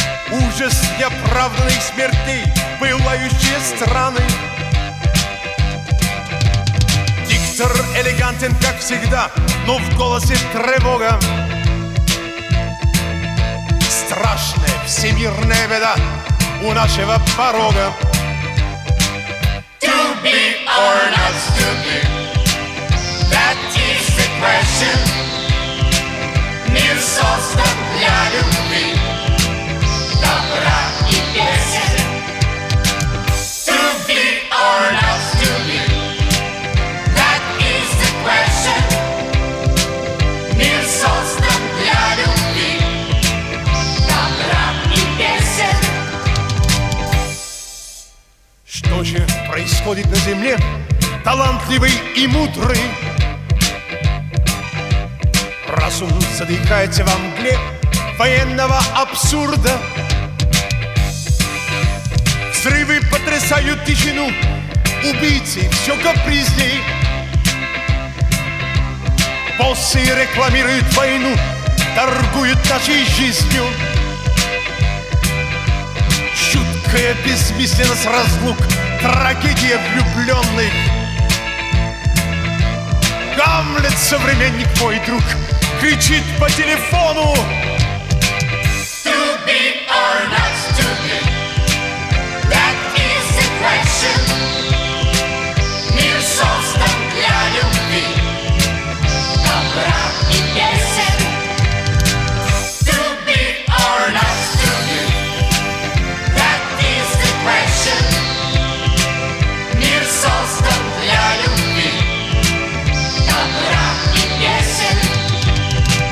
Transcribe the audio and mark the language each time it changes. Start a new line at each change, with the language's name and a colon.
Russian: Ужас неоправданных смертей, пылающие страны. Диктор элегантен, как всегда, но в голосе тревога. Страшная всемирная беда у нашего порога.
English: To be or not to be, that is the question.
Russian: Мир создан для любви, добра и песен.
English: To be or not to be, that is the question.
Russian: Мир создан для любви, добра и песен. Что же происходит на земле, талантливый и мудрый? Разум задыхается во мгле военного абсурда. Взрывы потрясают тишину, убийцы все капризней. Боссы рекламируют войну, торгуют нашей жизнью. Чуткая бессмысленность разлук, трагедия влюбленных. Гамлет, современник мой друг, кричит по телефону.
English: To be or not to be, that is the question.
Russian: Мир создан для любви, добра и песен.
English: To be or not to be, that is the question.
Russian: Мир создан для любви, добра и песен.